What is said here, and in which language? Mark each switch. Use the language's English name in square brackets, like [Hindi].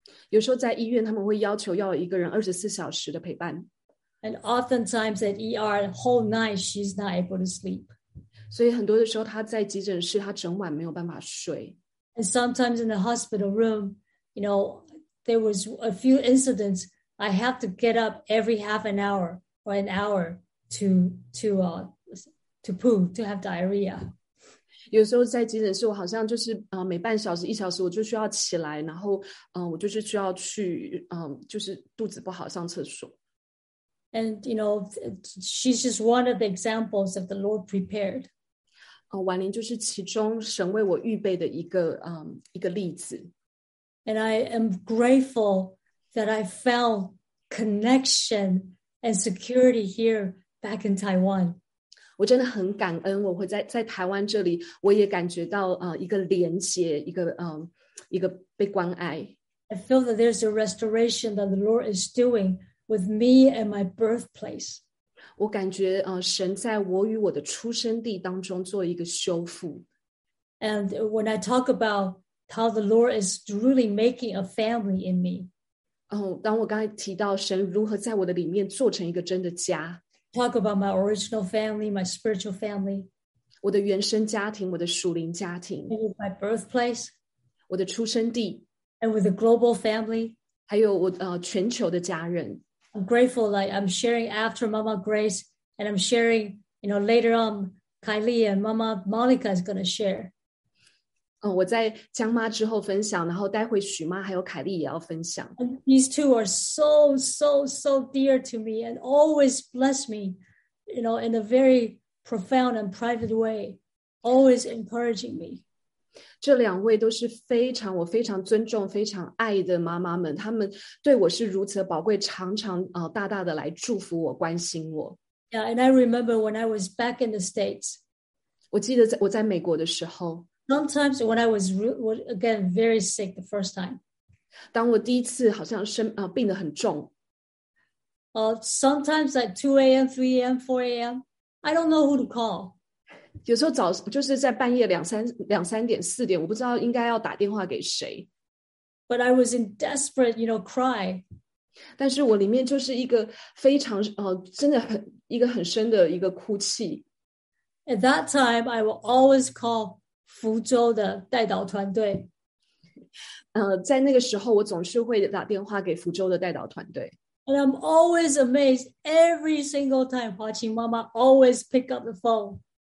[Chinese] 有时候在医院，他们会要求要有一个人24小时的陪伴。 [English] And oftentimes at ER, whole night she's not able to sleep. [Chinese] 所以很多的时候她在急诊室，她整晚没有办法睡。 [English] And sometimes in the hospital room, you know, there was a few incidents I have to get up every half an hour or an hour to poo, to have diarrhea. [Chinese] 有时候在急诊室，我好像就是每半小时、一小时，我就需要起来，然后我就是需要去就是肚子不好上厕所。 [English] And you know, she's just one of the examples of the Lord prepared. [Chinese] 婉玲就是其中神为我预备的一个例子。 [English] And I am grateful that I found connection and security here back in Taiwan. [Chinese] 我真的很感恩，我会在台湾这里，我也感觉到一个连接，一个被关爱。 [English] I feel that there's a restoration that the Lord is doing with me and my birthplace. [Chinese] 我感觉神在我与我的出生地当中做一个修复。 [English] And when I talk about how the Lord is really making a family in me. [Chinese] 当我刚才提到神如何在我的里面做成一个真的家。 [English] Talk about my original family, my spiritual family. [Chinese] 我的原生家庭，我的属灵家庭。 [English] And with my birthplace. [Chinese] 我的出生地。 [English] And with a global family. [Chinese] 还有我全球的家人。 [English] I'm grateful, like I'm sharing after Mama Grace, and I'm sharing, you know, later on, Kylie and Mama Monica is going to share. [Chinese] 我在江妈之后分享，然后待会许妈还有凯莉也要分享。 [English] These two are so, so, so dear to me and always bless me, you know, in a very profound and private way, always encouraging me. [Chinese] 这两位都是非常，我非常尊重，非常爱的妈妈们，她们对我是如此宝贵，常常大大的来祝福我，关心我。 [English] Yeah, and I remember when I was back in the States. [Chinese] 我记得我在美国的时候。 [English] Sometimes when I was again very sick the first time, [Chinese] 当我第一次好像生病得很重。 [English] Sometimes at 2 a.m., 3 a.m., 4 a.m., I don't know who to call. [Chinese] 有时候早就是在半夜两三点、四点，我不知道应该要打电话给谁。 [English] But I was in desperate, you know, cry. [Chinese] 但是我里面就是一个非常真的很一个很深的一个哭泣。 [English] At that time, I will always call. [Chinese] 福州的代祷团队，在那个时候，我总是会打电话给福州的代祷团队。 [English] And I'm always amazed every single time, 华清妈妈 always pick up the phone.